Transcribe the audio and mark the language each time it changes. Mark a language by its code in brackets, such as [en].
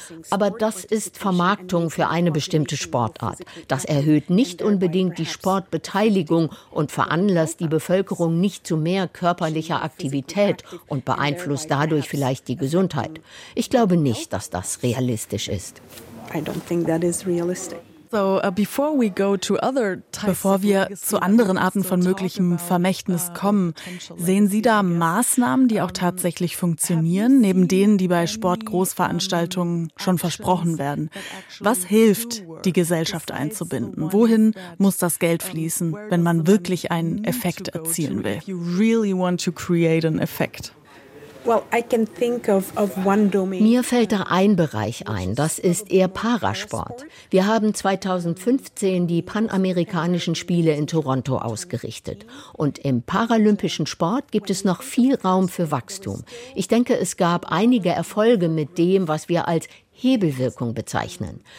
[de] Aber das ist Vermarktung für eine bestimmte Sportart. Das erhöht nicht unbedingt die Sportbeteiligung und veranlasst die Bevölkerung nicht zu mehr körperlicher Aktivität und beeinflusst dadurch vielleicht die Gesundheit. Ich glaube nicht, dass das realistisch ist. [en] I don't think that is realistic. [de] Bevor wir zu anderen Arten von möglichem Vermächtnis kommen, sehen Sie da Maßnahmen, die auch tatsächlich funktionieren, neben denen, die bei Sportgroßveranstaltungen schon versprochen werden? Was hilft, die Gesellschaft einzubinden? Wohin muss das Geld fließen, wenn man wirklich einen Effekt erzielen will? [en] You really want to create an effect. Well, I can think of one domain. [de] Mir fällt da ein Bereich ein, das ist eher Parasport. Wir haben 2015 die Panamerikanischen Spiele in Toronto ausgerichtet. Und im paralympischen Sport gibt es noch viel Raum für Wachstum. Ich denke, es gab einige Erfolge mit dem, was wir als Hebelwirkung bezeichnen.